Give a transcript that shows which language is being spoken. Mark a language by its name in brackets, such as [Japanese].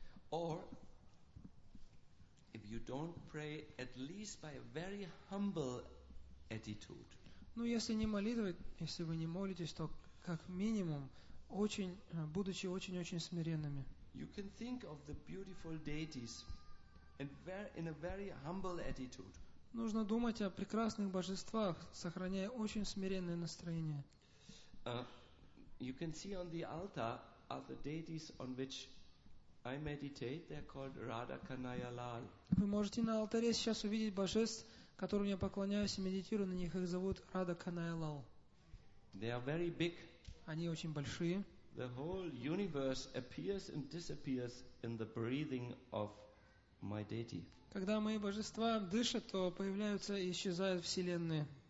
[English] Or if you don't pray, at least by a very humble attitude. [Russian] Ну если не молитвой, если вы не молитесь, то как минимум будучи очень-очень смиренными. [English] You can think of the beautiful deities in a very humble attitude. [Russian] Нужно думать о прекрасных божествах, сохраняя очень смиренное настроение. [English] You can see on the altar are the deities on which I meditate. They're called Radha Kanhaiya Lal. [Russian] Вы можете на алтаре сейчас увидеть божеств, которым я поклоняюсь и медитирую на них. Их зовут Radha Kanhaiya Lal. [English] They are very big. [Russian] Они очень большие. [English] The whole universe appears and disappears in the breathing of my deity. [Russian] Когда мои божества дышат, то появляются и исчезают вселенные.